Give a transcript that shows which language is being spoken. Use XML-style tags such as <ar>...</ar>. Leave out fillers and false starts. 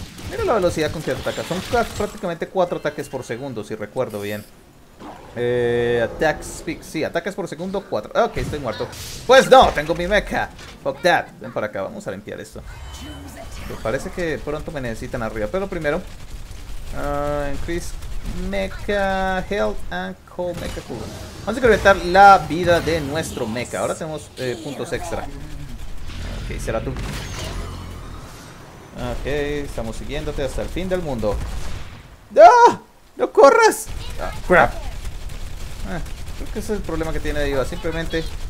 <es>Mira la velocidad con que ataca. Son prácticamente 4 ataques por segundo, si recuerdo bien.</es> <en>Attack speed.</en> <es>Sí, ataques por segundo, 4. Ok, estoy muerto. Pues no, tengo mi mecha.</es> <en>Fuck that.</en> <es>Ven para acá, vamos a limpiar esto. Pues parece que pronto me necesitan arriba. Pero primero.</es> <en>Increase mecha health and cold mecha cool.</en> <es>Vamos a incrementar la vida de nuestro mecha. Ahora tenemos puntos extra. Ok, será tú. Ok, estamos siguiéndote hasta el fin del mundo. ¡No! ¡No corras! Oh, ¡crap! Creo que ese es el problema que tiene D.Va. Simplemente</es>